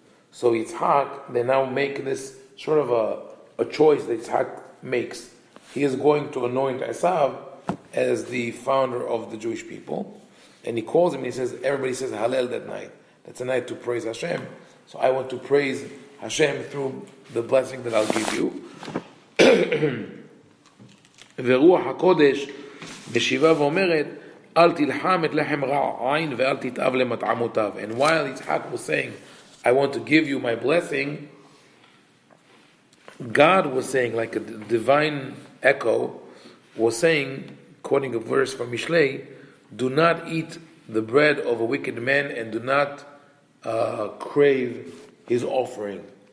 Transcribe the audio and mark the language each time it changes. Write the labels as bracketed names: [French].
[English] So Yitzhak, they now make this sort of a choice that Yitzhak makes. He is going to anoint Esav as the founder of the Jewish people. And he calls him and he says, everybody says Hallel that night. That's a night to praise Hashem. So I want to praise Hashem through the blessing that I'll give you. [Hebrew] ורוח הקודש משיבה ואומרת אל תלחם את לחם רע עין ואל תתאב למטעמותיו. [English] And while Yitzhak was saying I want to give you my blessing, God was saying, like a divine echo was saying, quoting a verse from Mishlei, do not eat the bread of a wicked man and do not crave his offering.